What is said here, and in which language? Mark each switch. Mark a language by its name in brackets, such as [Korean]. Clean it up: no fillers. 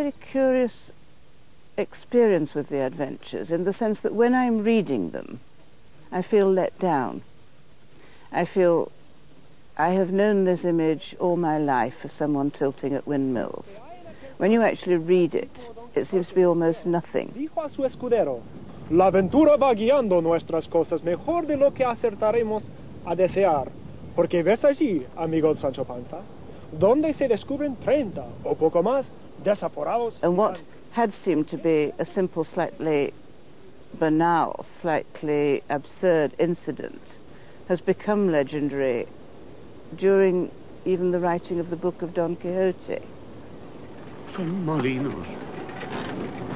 [English] Curious experience with the adventures, in the sense that when I'm reading them, I feel let down. I feel I have known this image all my life of someone tilting at windmills. When you actually read it, it seems to be almost nothing. [Spanish] Dijo a su escudero, la aventura va guiando nuestras cosas mejor de lo que acertaremos a desear, porque ves allí, amigo Sancho Panza, donde se descubren 30 o poco más. [English] And what had seemed to be a simple, slightly banal, slightly absurd incident has become legendary during even the writing of the book of Don Quixote. [Spanish] Son molinos.